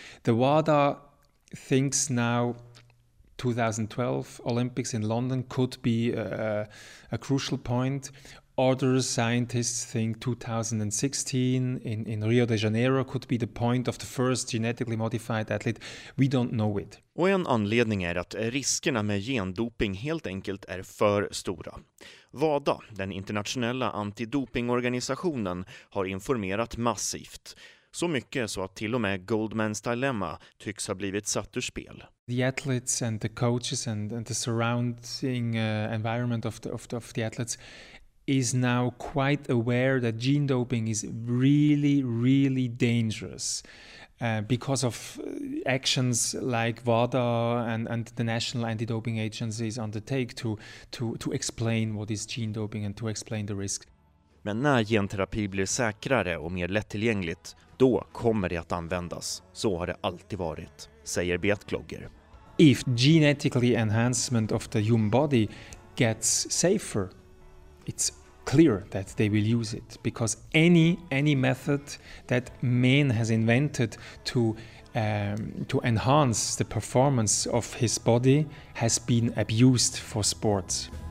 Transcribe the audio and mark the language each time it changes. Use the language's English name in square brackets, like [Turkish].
[English] The WADA thinks now 2012 Olympics in London could be a crucial point. Other scientists think 2016 in Rio de Janeiro could be the point of the first genetically modified athlete. We don't know it. [Swedish] Och en anledning är att riskerna med gendoping helt enkelt är för stora. WADA, den internationella antidopingorganisationen, har informerat massivt. Så mycket så att till och med Goldman's Dilemma tycks ha blivit satt ur spel. [English] The athletes and the coaches and the surrounding environment of the athletes is now quite aware that gene doping is really, really dangerous. Because of actions like WADA and the national anti-doping agencies undertake to explain what is gene doping and to explain the risk. [Swedish] Men när genterapi blir säkrare och mer lättillgängligt, då kommer det att användas. Så har det alltid varit, säger Beat Glogger. [English] If genetically enhancement of the human body gets safer, it's clear that they will use it, because any method that man has invented to enhance the performance of his body has been abused for sports.